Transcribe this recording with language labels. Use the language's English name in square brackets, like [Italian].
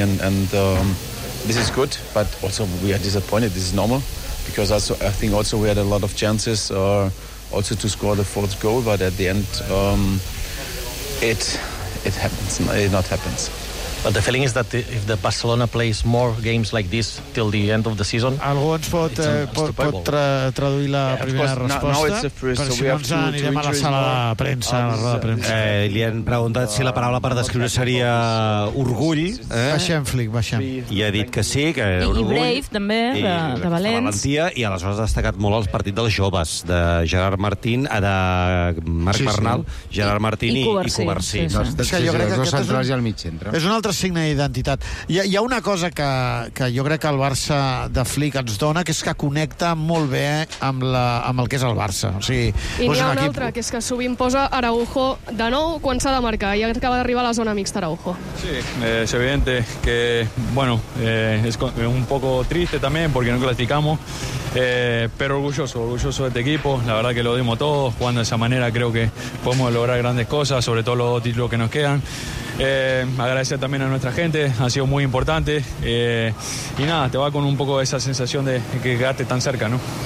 [English] And this is good, but also we are disappointed. This is normal, because also, I think also we had a lot of chances also to score the fourth goal, but at the end, it happens. It not happens. But the feeling is that if the Barcelona plays more games like this till the end of the season... [Catalan] Algú ens pot, pot traduir la primera resposta, perquè si no ens anirem a la sala de premsa. Li han preguntat si la paraula per descriure seria orgull. Baixem. I ha dit que sí, que és orgull. I brave, també, de valents. Valentia, i aleshores ha destacat molt el partit dels joves, de Gerard Martín, de Marc Bernal, Gerard Martín i Cubarsí. Dos centrals i el mig centre. És un altre signe d'identitat. Hi ha una cosa que jo crec que el Barça de Flick ens dona, que és que connecta molt bé amb el que és el Barça. O sigui, i n'hi ha un altre, que és que sovint posa Araujo de nou quan s'ha de marcar, i acaba d'arribar a la zona mixta Araujo. [Spanish] Sí, es evidente que, bueno, es un poco triste también, porque no clasificamos, pero orgulloso de este equipo, la verdad que lo dimos todo, jugando de esa manera creo que podemos lograr grandes cosas, sobre todo los títulos que nos quedan. Agradecer también a nuestra gente, ha sido muy importante, y nada, te va con un poco esa sensación de que quedaste tan cerca, ¿no?